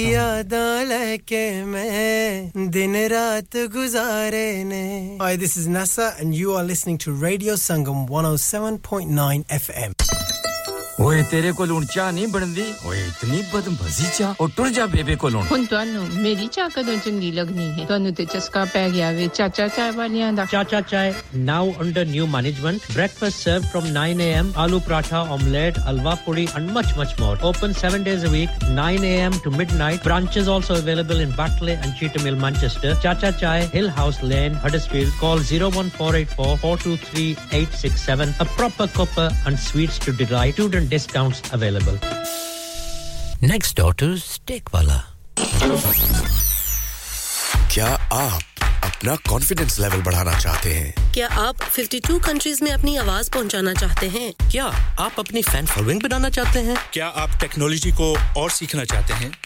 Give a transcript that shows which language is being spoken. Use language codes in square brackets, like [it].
[pa] تیری یاداں لے کے میں دن رات گزارے نے [en] Hi this is NASA and you are listening to Radio Sangam 107.9 FM [pa] ਓਏ ਤੇਰੇ ਕੋਲ ਹੁਣ ਚਾਹ ਨਹੀਂ ਬਣਦੀ ਓਏ ਇਤਨੀ ਬਦਮਜ਼ੀ ਚਾਹ ਉਹ ਟੁਰ ਜਾ ਬੇਬੇ ਕੋਲ ਹੁਣ ਤੁਹਾਨੂੰ ਮੇਰੀ ਚਾਹ ਕਦੋਂ ਚੰਗੀ ਲੱਗਣੀ ਹੈ ਤੁਹਾਨੂੰ ਤੇ ਚਸਕਾ ਪੈ ਗਿਆ ਵੇ ਚਾਚਾ ਚਾਹ ਵਾਲਿਆਂ ਦਾ [en] Chacha Chah now under new management breakfast serve from 9 AM aloo paratha omelette halwa puri and much much more open 7 days a week 9 AM to midnight branches also available in Batley and Cheetham Hill Manchester Chacha Chah Hill House Lane Huddersfield call 01484423867 a proper cuppa and sweets to delight student discounts available. Next door to Steak Wala. [hi] Kya aap अपना confidence level बढ़ाना चाहते हैं क्या आप 52 countries में अपनी आवाज पहुंचाना चाहते हैं क्या आप अपनी फैन फॉलोइंग बनाना चाहते हैं क्या आप टेक्नोलॉजी को और सीखना चाहते हैं